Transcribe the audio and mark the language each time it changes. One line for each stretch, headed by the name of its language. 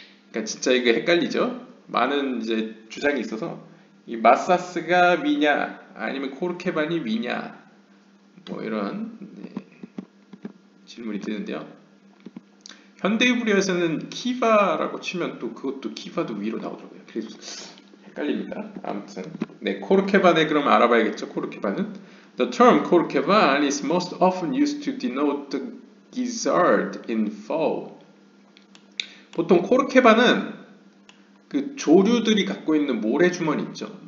Korean: 그러니까 진짜 이게 헷갈리죠? 많은 이제 주장이 있어서 이 마사스가 위냐 아니면 코르케반이 위냐 뭐 이런 네, 질문이 드는데요. 현대 히브리어에서는 키바라고 치면 또 그것도 키바도 위로 나오더라고요. 그래서 헷갈립니다. 아무튼 네 코르케반에 그럼 알아봐야겠죠.
English: 코르케반은 The term 코르케반 is most often used to denote the gizzard in fowl.
Korean: 보통 코르케반은 그 조류들이 갖고 있는 모래주머니 있죠.